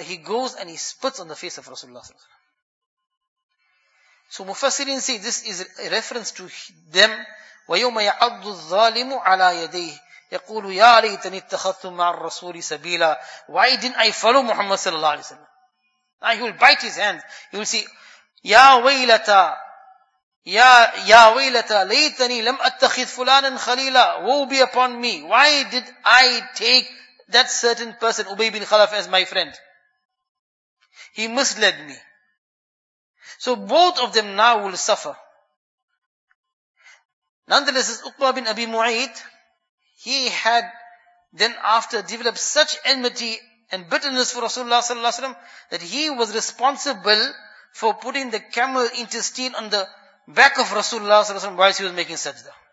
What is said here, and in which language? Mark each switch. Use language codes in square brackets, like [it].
[en] He goes and he spits on the face of Rasulullah. So Mufassirin say this is a reference to them. [ar] وَيَوْمَ يَعَضُّ الظَّالِمُ عَلَى يَدَيْهِ يَقُولُ يَا لَيْتَنِي اتَّخَذْتُ مَعَ الرَّسُولِ سَبِيلًا. [en] Why didn't I follow Muhammad sallallahu alayhi wa sallam? Now he will bite his hands. He will say, [ar] يَا وَيْلَتَا يَا وَيْلَتَا لَيْتَنِي لَمْ أَتَّخِذْ فُلَانًا خَلِيلًا. [en] Woe be upon me. Why did I take that certain person, Ubay bin Khalaf, as my friend? He misled me. So both of them now will suffer. Nonetheless, this Uqba bin Abi Mu'ayt, he had then after developed such enmity and bitterness for Rasulullah sallallahu alaihi wasallam that he was responsible for putting the camel intestine on the back of Rasulullah sallallahu alaihi wasallam whilst he was making sajda.